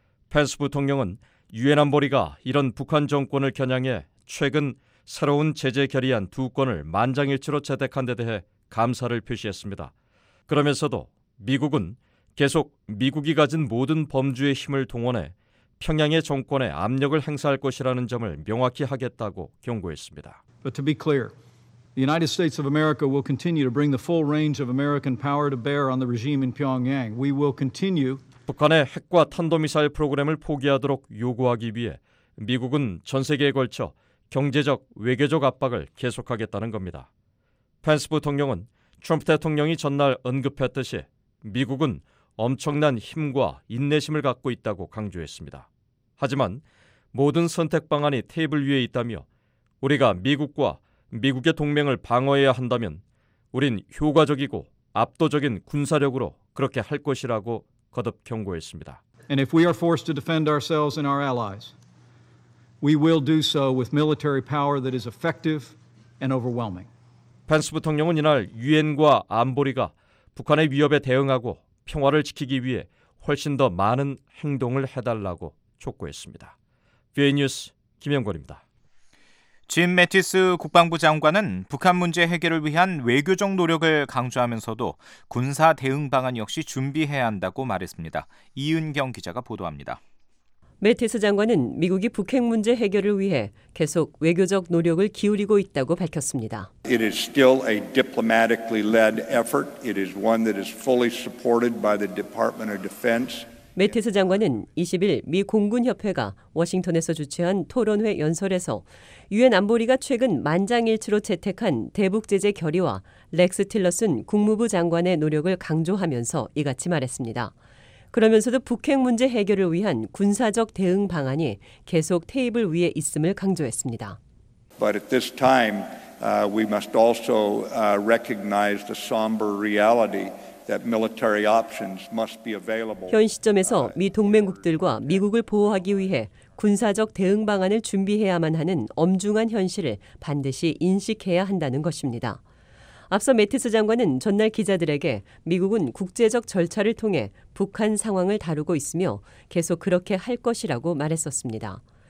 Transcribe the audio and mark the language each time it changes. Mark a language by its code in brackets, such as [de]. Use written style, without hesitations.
[ko] 펜스 부통령은 유엔 안보리가 이런 북한 정권을 겨냥해 최근 새로운 제재 결의안 두 건을 만장일치로 채택한 데 대해 감사를 표시했습니다. 그러면서도 미국은 계속 미국이 가진 모든 범주의 힘을 동원해 평양의 정권에 압력을 행사할 것이라는 점을 명확히 하겠다고 경고했습니다. [en] But to be clear, the United States of America will continue to bring the full range of American power to bear on the regime in Pyongyang. We will continue [ko] 북한의 핵과 탄도미사일 프로그램을 포기하도록 요구하기 위해 미국은 전 세계에 걸쳐 경제적, 외교적 압박을 계속하겠다는 겁니다. 펜스 부통령은 트럼프 대통령이 전날 언급했듯이 미국은 엄청난 힘과 인내심을 갖고 있다고 강조했습니다. 하지만 모든 선택 방안이 테이블 위에 있다며 우리가 미국과 미국의 동맹을 방어해야 한다면 우린 효과적이고 압도적인 군사력으로 그렇게 할 것이라고 거듭 경고했습니다. [en] And if we are forced to defend ourselves and our allies, we will do so with military power that is effective and overwhelming. [ko] 펜스 부통령은 이날 유엔과 안보리가 북한의 위협에 대응하고 평화를 지키기 위해 훨씬 더 많은 행동을 해달라고 촉구했습니다. VOA 뉴스 김영권입니다. 짐 매티스 국방부 장관은 북한 문제 해결을 위한 외교적 노력을 강조하면서도 군사 대응 방안 역시 준비해야 한다고 말했습니다. 이은경 기자가 보도합니다. 매티스 장관은 미국이 북핵 문제 해결을 위해 계속 외교적 노력을 기울이고 있다고 밝혔습니다. [en] It is still a diplomatically led effort. It is one that is fully supported by the Department of Defense. [ko] 매티스 장관은 20일 미 공군협회가 워싱턴에서 주최한 토론회 연설에서 유엔 안보리가 최근 만장일치로 채택한 대북제재 결의와 렉스 틸러슨 국무부 장관의 노력을 강조하면서 이같이 말했습니다. 그러면서도 북핵 문제 해결을 위한 군사적 대응 방안이 계속 테이블 위에 있음을 강조했습니다. [en] But at this time, we must also recognize the somber reality that military options must be available. [ko] 현 시점에서 미 동맹국들과 미국을 보호하기 위해 군사적 대응 방안을 준비해야만 하는 엄중한 현실을 반드시 인식해야 한다는 것입니다. 앞서 매티스 장관은 전날 기자들에게 미국은 국제적 절차를 통해 북한 상황을 다루고 있으며 계속 그렇게 할 것이라고 말했었습니다.